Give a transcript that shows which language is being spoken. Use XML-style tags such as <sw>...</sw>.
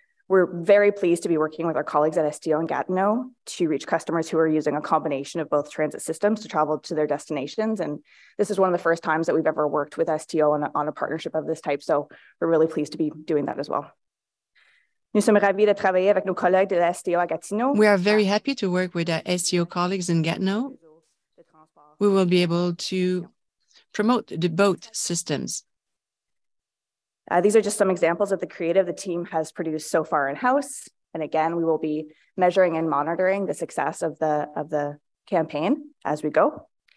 <en>We're very pleased to be working with our colleagues at Estio and Gatineau to reach customers who are using a combination of both transit systems to travel to their destinations. And this is one of the first times that we've ever worked with Estio on a partnership of this type. So we're really pleased to be doing that as well.</en> <fr>Nous sommes ravis de travailler avec nos collègues de la STO à Gatineau.</fr> <en>We are very happy to work with our STO colleagues in Gatineau. We will be able to promote the boat systems. These are just some examples of the creative the team has produced so far in-house. And again, we will be measuring and monitoring the success of the campaign as we go.</en>